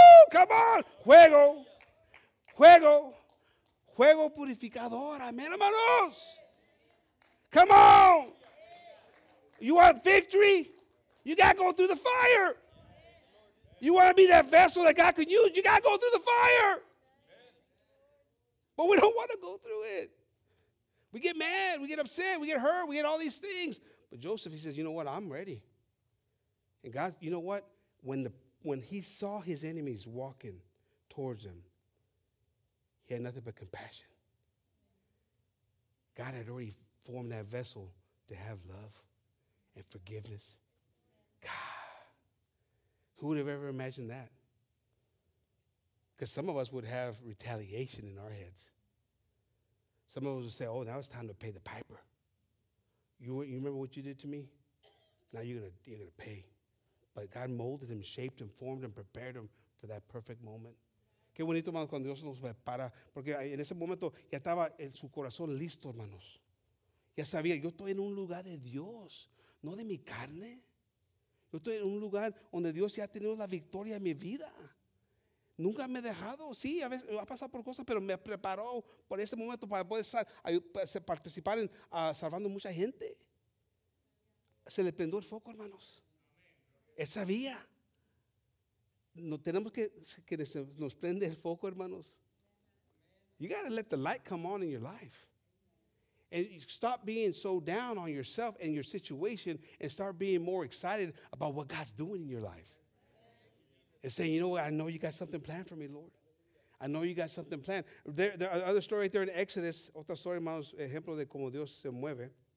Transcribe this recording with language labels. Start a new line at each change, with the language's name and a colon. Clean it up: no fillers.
English: Come on,
Spanish: juego, juego, juego purificador, amen, hermanos.
English: Come on, you want victory? You got to go through the fire. You want to be that vessel that God can use, you got to go through the fire. But we don't want to go through it. We get mad, we get upset, we get hurt, we get all these things. But Joseph, he says, you know what, I'm ready. And God, you know what, when he saw his enemies walking towards him, he had nothing but compassion. God had already formed that vessel to have love and forgiveness. God, who would have ever imagined that? Because some of us would have retaliation in our heads. Some of us would say, oh, now it's time to pay the piper. You remember what you did to me? Now you're gonna pay. But God molded him, shaped him, formed him, prepared him for that perfect moment.
Spanish: Qué bonito, hermano, cuando Dios nos prepara. Porque en ese momento ya estaba en su corazón listo, hermanos. Ya sabía, yo estoy en un lugar de Dios, no de mi carne. Yo estoy en un lugar donde Dios ya ha tenido la victoria en mi vida. Nunca me he dejado. Sí, a veces ha pasado por cosas, pero me preparó por este momento para poder participar en salvando mucha gente. Se le prendió el foco, hermanos. Él sabía. No tenemos que nos prende el foco, hermanos.
English: You got to let the light come on in your life. And you stop being so down on yourself and your situation and start being more excited about what God's doing in your life. And saying, you know what, I know you got something planned for me, Lord. I know you got something planned. There are other story right there in Exodus.
Spanish: Otra story, hermanos, ejemplo de cómo Dios se mueve.